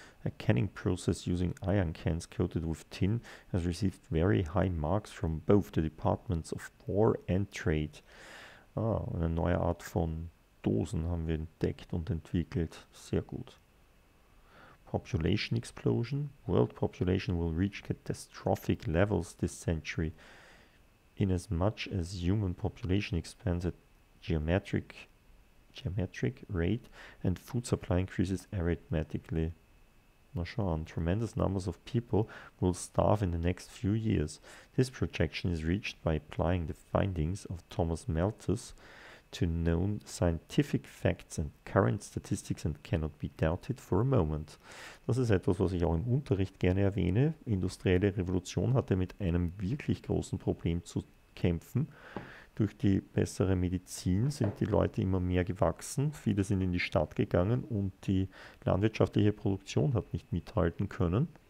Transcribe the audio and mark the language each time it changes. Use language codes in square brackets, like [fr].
[en] A canning process using iron cans coated with tin has received very high marks from both the departments of war and trade. [de] Ah, eine neue Art von Dosen haben wir entdeckt und entwickelt. Sehr gut. [en] Population explosion. World population will reach catastrophic levels this century. Inasmuch as human population expands at geometric rate and food supply increases arithmetically. [de] Na schauen, [en] tremendous numbers of people will starve in the next few years. This projection is reached by applying the findings of Thomas Malthus to known scientific facts and current statistics and cannot be doubted for a moment. [de] Das ist etwas, was ich auch im Unterricht gerne erwähne. Industrielle Revolution hatte mit einem wirklich großen Problem zu kämpfen. Durch die bessere Medizin sind die Leute immer mehr gewachsen. Viele sind in die Stadt gegangen und die landwirtschaftliche Produktion hat nicht mithalten können.